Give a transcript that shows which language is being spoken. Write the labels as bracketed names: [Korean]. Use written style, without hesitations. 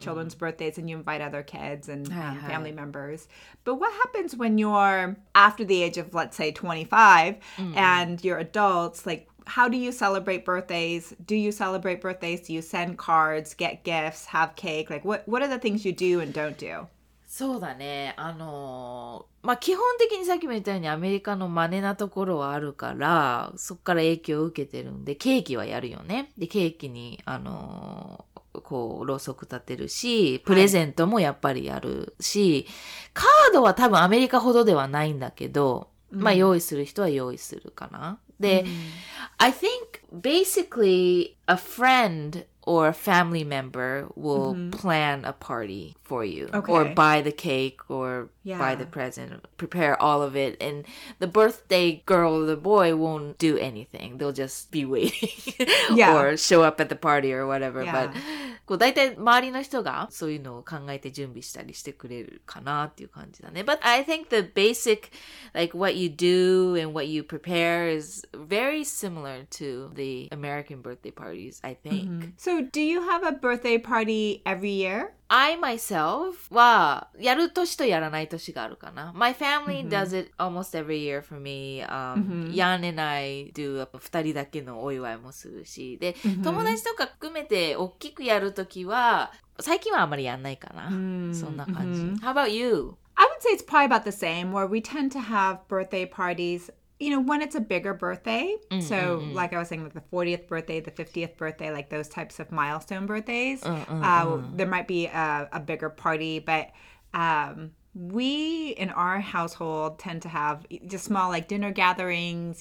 [English] children's birthdays and you invite other kids and family members. But what happens when you're after the age of, let's say, 25 mm-hmm. and you're adults? Like, how do you celebrate birthdays? Do you celebrate birthdays? Do you send cards, get gifts, have cake? Like, what are the things you do and don't do? [Japanese] そうだね。まあ、基本的にさっきも言ったようにアメリカの真似なところはあるから、そっから影響を受けてるんで、ケーキはやるよね。で、ケーキに、こうろうそく立てるし、プレゼントもやっぱりやるし、はい、カードは多分アメリカほどではないんだけど、まあ用意する人は用意するかな。 [English] で、I think basically a friend or a family member will plan a party for you. Okay. Or buy the cake or buy the present, prepare all of it. And the birthday girl or the boy won't do anything. They'll just be waiting or show up at the party or whatever. [Japanese] But こう大体周りの人がそういうのを考えて準備したりしてくれるかなっていう感じだね。 [English] But I think the basic, like what you do and what you prepare is very similar to the American birthday parties, I think. Mm-hmm. So do you have a birthday party every year? I myself [Japanese] はやる年とやらない年があるかな。 [English] My family does it almost every year for me. Jan and I do [Japanese] 二人だけのお祝いもするし、で、友達とか含めて大きくやるときは最近はあまりやんないかな。そんな感じ。 [English] How about you? I would say it's probably about the same. Where we tend to have birthday parties. You know, when it's a bigger birthday, so like I was saying, like the 40th birthday, the 50th birthday, like those types of milestone birthdays, there might be a bigger party. But we in our household tend to have just small like dinner gatherings.